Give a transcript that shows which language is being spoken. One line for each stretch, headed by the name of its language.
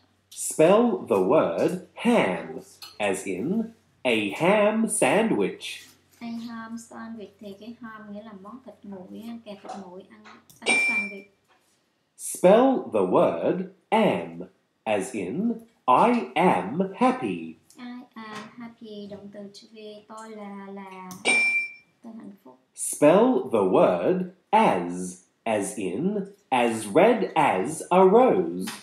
English: Spell the word ham, as in a ham sandwich. A ham sandwich
Vietnamese: thì cái ham nghĩa là món thịt nguội ha, kèm thịt nguội ăn bánh sandwich.
English: Spell the word am, as in I am happy. I am happy
Vietnamese: động từ chủ vị tôi là
English: Spell the word as in as red as a rose.